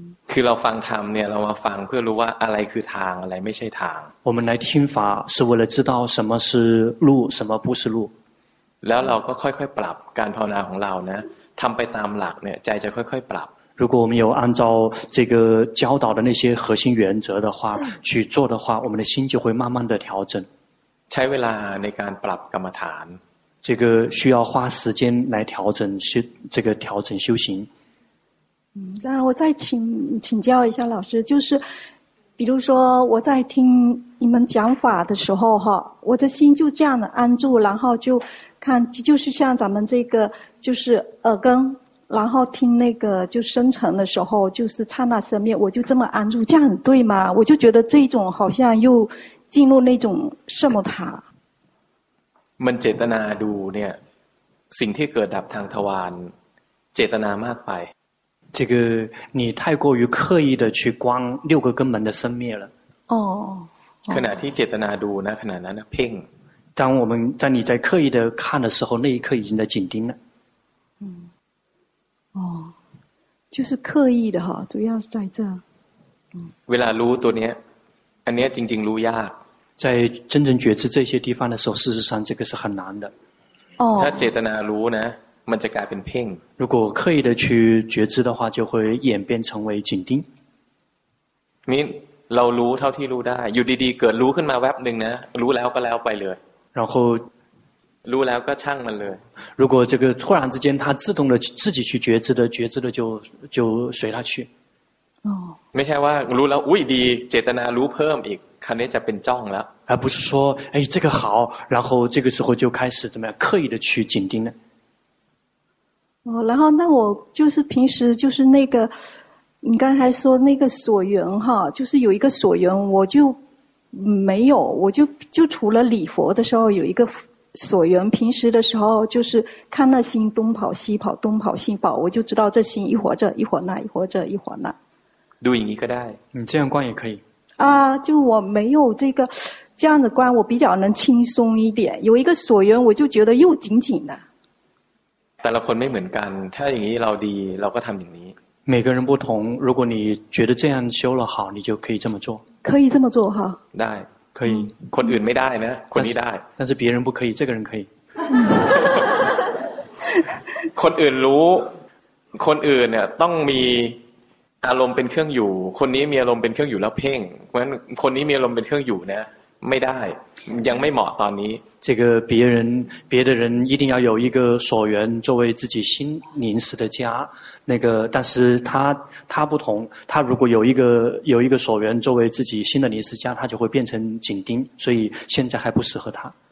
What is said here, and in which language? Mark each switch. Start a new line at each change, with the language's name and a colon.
Thai: คือเราฟังธรรมเนี่ยเรามาฟังเพื่อรู้ว่าอะไรคือทางอะไรไม่ใช่ทาง
Chinese: 我们来听法是为了知道什么是路什么不是路 แล้วเราก็ค่อยๆปรับการภาวนาของเรานะทำไปตามหลักเนี่ยใจจะค่อยๆปรับ 如果我们有按照这个教导的那些核心原则的话去做的话我们的心就会慢慢的调整 ใช้เวลาในการปรับกรรมฐาน 这个需要花时间来调整修这个调整修行当然我再请教一下老师就是比如说我在听你们讲法的时候我的心就这样的安住然后就看就是像咱们这个就是耳根然后听那个就生成的时候就是刹那生灭我就这么安住这样对吗我就觉得这种好像又进入那种圣母塔
Thai: มันเจตนาดูเนี่ยสิ่งที่เกิดดับทางทวารเจตนามากไป
Chinese: 这个你太过于刻意的去观六个根本的生灭了
Thai: ขณะที่เจตนาดูนะขณะนั้นเพ่ง
Chinese: 当我们在你在刻意的看的时候那一刻已经在紧盯了就是刻意的哈主要在这
Thai: เวลารู้ตัวเนี้ยอันเนี้ยจริงๆรู้ยาก
Chinese: 在真正觉知这些地方的时候事实上这个是很难的
Thai: ถ้าเจตนารู้นะมันจะกลายเป็นเพ่ง
Chinese: 如果刻意的去觉知的话就会演变成为紧盯
Thai: นี่เรารู้เท่าที่รู้ได้อยู่ดีๆเกิดรู้ขึ้นมาแวบนึงนะรู้แล้วก็แล้วไปเลย
Chinese: 然后
Thai: รู้แล้วก็ช่างมันเลย
Chinese: 如果这个突然之间他自动的自己去觉知的觉知的就随他去
Thai: ไม่ใช่ว่ารู้แล้วอุ้ยดีเจตนารู้เพิ่มอีกคราวนี้จะเป็นจ้องแล้ว
Chinese: อ่า不是说哎这个好然后这个时候就开始怎么样刻意的去紧盯了然后那我就是平时就是那个你刚才说那个所缘哈就是有一个所缘我就没有我就除了礼佛的时候有一个所缘平时的时候就是看那心东跑西跑东跑西跑我就知道这心一会儿这一会儿那一会儿这一会儿那
Thai: ดูอย่างนี้ก็ได้
Chinese: 这样观也可以就我没有这个这样的观我比较能轻松一点有一个所缘我就觉得又紧紧的
Thai: แต่ละคนไม่เหมือนกันถ้าอย่างนี้เราดีเราก็ทำอย่างนี้
Chinese: 每个人不同如果你觉得这样修了好你就可以这么做可以这么做哈
Thai: ได้
Chinese: 可以
Thai: คนอื่นไม่ได้นะคนนี้ได้
Chinese: 但是别人不可以这个人可以
Thai: คนอื่นรู้คนอื่นเนี่ยต้องมีอารมณ์เป็นเครื่องอยู่คนนี้มีอารมณ์เป็นเครื่องอยู่แล้วเพ่งเพราะฉะนั้นคนนี้มีอารมณ์เป็นเครื่องอยู่นะไม่ได้ยังไม่เหมาะตอนนี้
Chinese: 这个别的人一定要有一个所缘作为自己心临时的家那个但是他不同他如果有一个所缘作为自己心的临时家他就会变成紧盯所以现在还不适合他